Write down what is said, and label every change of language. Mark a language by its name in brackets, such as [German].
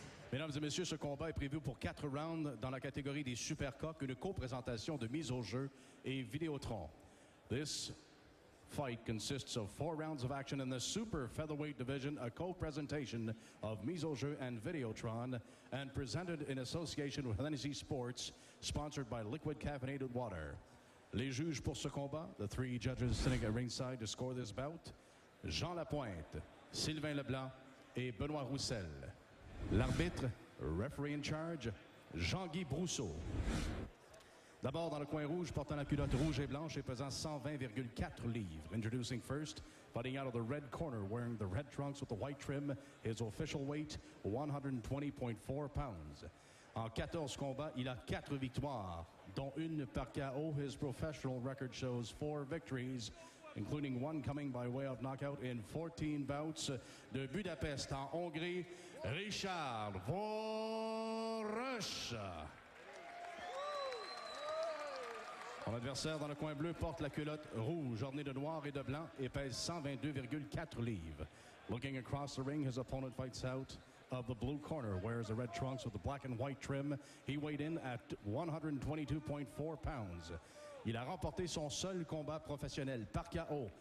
[French] Mesdames et messieurs, ce combat est prévu pour 4 rounds dans la catégorie des Supercoq, une co-présentation de mise au jeu et Vidéotron. [English] This fight consists of 4 rounds of action in the Super Featherweight Division, a co-presentation of mise au jeu and Vidéotron, and presented in association with Hennessy Sports, sponsored by Liquid Caffeinated Water. [French] Les juges pour ce combat, [English] the 3 judges sitting at ringside to score this bout, Jean Lapointe, Sylvain Leblanc, et Benoît Roussel. [French] L'arbitre, [English] referee in charge, Jean-Guy Brousseau. [French] D'abord dans le coin rouge, portant la culotte rouge et blanche et pesant 120,4 livres. [English] Introducing first, fighting out of the red corner, wearing the red trunks with the white trim, his official weight, 120.4 pounds. [French] En 14 combats, il a 4 victoires, dont une par KO. [English] His professional record shows 4 victories. Including 1 coming by way of knockout in 14 bouts [French] de Budapest en Hongrie, [English] Richard Vorus. [French] Mon adversaire dans le coin bleu porte la culotte rouge ornée de noir et de blanc et pèse 122,4 livres. [English] Looking across the ring, his opponent fights out of the blue corner, wears the red trunks with the black and white trim. He weighed in at 122.4 pounds. [French] Il a remporté son seul combat professionnel par KO.